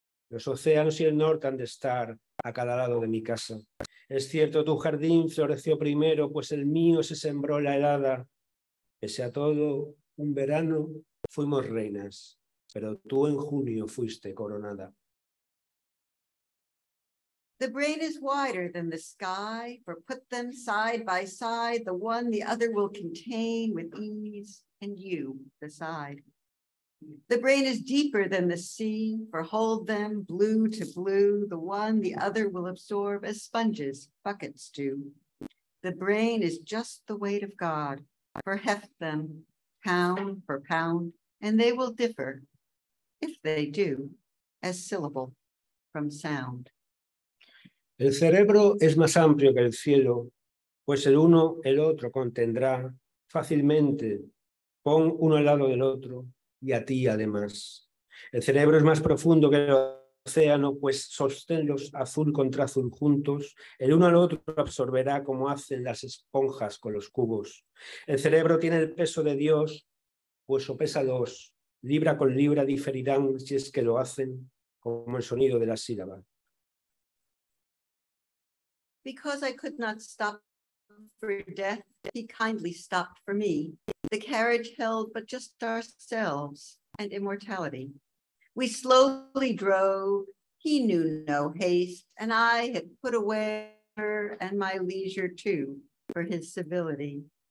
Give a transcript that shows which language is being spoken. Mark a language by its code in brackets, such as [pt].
[es] Los océanos y el norte han de estar a cada lado de mi casa. Es cierto, tu jardín floreció primero, pues el mío se sembró la helada. Pese a todo, un verano fuimos reinas, pero tú en junio fuiste coronada. [en] The brain is wider than the sky, for put them side by side, the one the other will contain with ease, and you beside. The brain is deeper than the sea, for hold them blue to blue, the one the other will absorb as sponges buckets do. The brain is just the weight of God, for heft them pound for pound, and they will differ, if they do, as syllable from sound. [es] El cerebro es más amplio que el cielo, pues el uno el otro contendrá fácilmente. Pon uno al lado del otro y a ti además. El cerebro es más profundo que el océano, pues sosténlos azul contra azul juntos. El uno al otro absorberá como hacen las esponjas con los cubos. El cerebro tiene el peso de Dios, pues o pesa dos. Libra con libra diferirán si es que lo hacen como el sonido de la sílaba. [en] Because I could not stop for death, he kindly stopped for me. The carriage held but just ourselves and immortality. We slowly drove, he knew no haste, and I had put away her and my leisure too for his civility.